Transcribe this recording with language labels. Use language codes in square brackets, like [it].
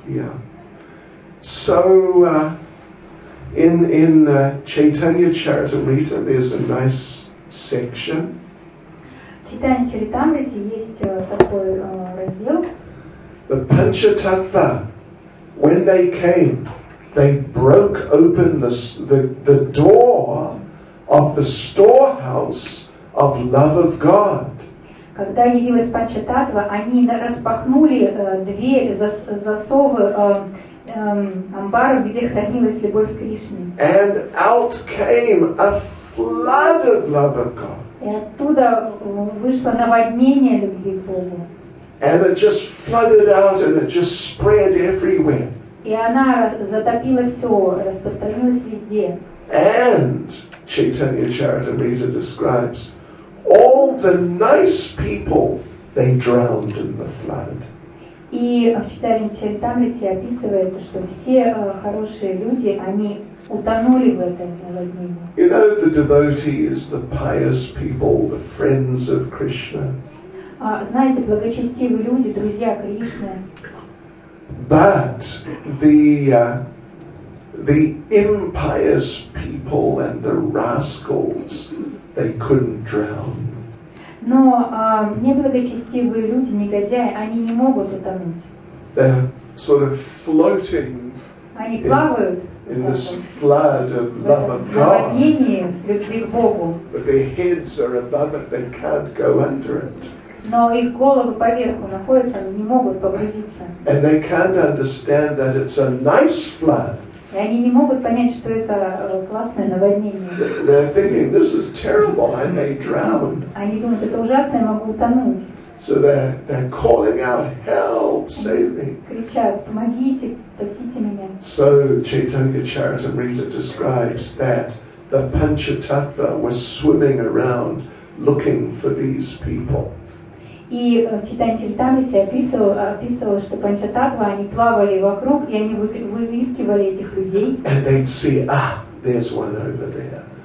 [en] Yeah. So in Chaitanya Charitamrita there's a nice section. [ru] В Чайтанья Чаритамрите есть такой раздел. [en] The Панчататва. When they came, they broke open the door of the storehouse of love of God. [ru] Когда явилась Панчататва, они распахнули дверь засовы амбара, где хранилась любовь к Кришне. [en] And out came a flood of love of God. [ru] И оттуда вышло наводнение любви к Богу. [en] And it just flooded out, and it just spread everywhere. [ru] И она затопила все, распространилась везде. [en] And Chaitanya Charitamrita describes all the nice people they drowned in the flood. [ru] И в читании Чаритамрите описывается, что все хорошие люди, они утонули в этом наводнении. [en] You know, the devotee is the pious people, the friends of Krishna. [ru] Знаете, благочестивые люди, друзья Кришны. [en] But the impious people and the rascals, they couldn't drown. [ru] Но неблагочестивые люди, негодяи, они не могут утонуть. [en] They're sort of floating. [ru] Они плавают. [en] In this flood of love of God. But their heads are above it, they can't go under it. [ru] Но их головы поверху находятся, они не могут погрузиться. [en] And they can't understand that it's a nice flood. [ru] И они не могут понять, что это классное наводнение. [en] They're thinking, this is terrible, I may drown. [ru] Они думают, это ужасно, я могу утонуть. [en] So they're calling out, help, save me. [ru] Кричат, помогите, спасите меня. [en] So Chaitanya Charitamrita describes that the Panchatattva was swimming around looking for these people. [ru] И в читании Чаритамрите описывалось, что Панчататва, они плавали вокруг, и они выискивали этих людей. [en] And they'd see, ah, there's one over there.